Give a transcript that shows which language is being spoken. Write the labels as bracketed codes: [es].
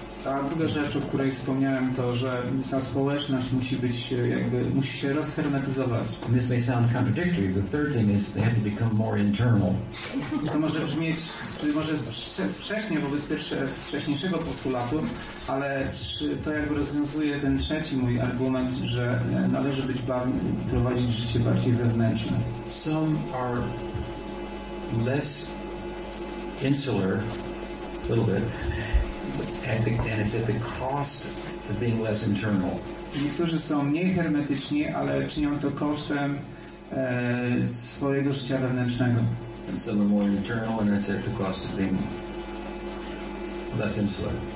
[pl] A druga rzecz, o której wspomniałem, to, że ta społeczność musi być jakby, musi się rozhermetyzować. [en] This may sound contradictory. The third thing is they have to become more internal. [pl] To może brzmieć, może sprzecznie wobec wcześniejszego postulatu, ale czy to jakby rozwiązuje ten trzeci mój argument, że należy być prowadzić życie bardziej wewnętrzne. [en] Some are less insular, a little bit. And it's at the cost of being less internal. [pl] Niektórzy są mniej hermetyczni, ale czynią to kosztem swojego życia wewnętrznego. [en] And some are more internal, and it's at the cost of being less insular.